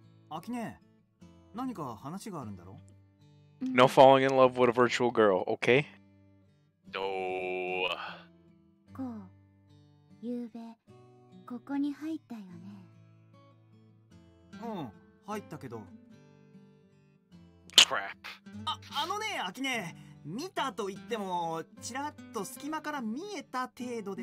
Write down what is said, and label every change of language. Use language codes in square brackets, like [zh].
[ja] アキネ、何か話があるんだろう？ [en] No falling in love with a virtual girl, okay? No. [ja] こう、ゆうべここに入ったよね。うん、入ったけど。 [en] Crap. [ja] あのね、アキネ、見たと言ってもちらっと隙間から見えた程度で。